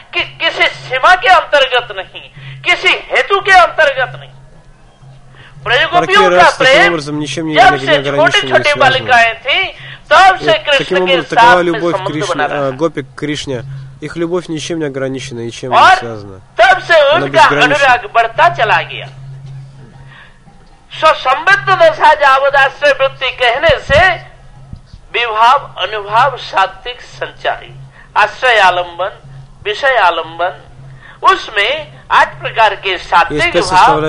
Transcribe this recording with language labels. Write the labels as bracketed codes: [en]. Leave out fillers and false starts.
[hi] किसी सीमा के अंतर्गत नहीं, किसी हेतु के अंतर्गत नहीं। प्रजगोपियों का प्रेम [ru] образом, ничем не [hi] जब से छोटे छोटे बालिकाएं थी तब से कृष्ण के साथ [ru] такова любовь к Кришне, гопи к Кришне, их любовь ничем не ограничена, ничем не связана. [hi] तब से उनका अनुराग बढ़ता चला गया। स्वसंबद्ध दशा जावदास्य वृत्ति कहने से विभाव अनुभाव सात्विक संचारी आश्रय आलंबन विषय आलंबन उसमें आठ प्रकार के सात्विक भाव,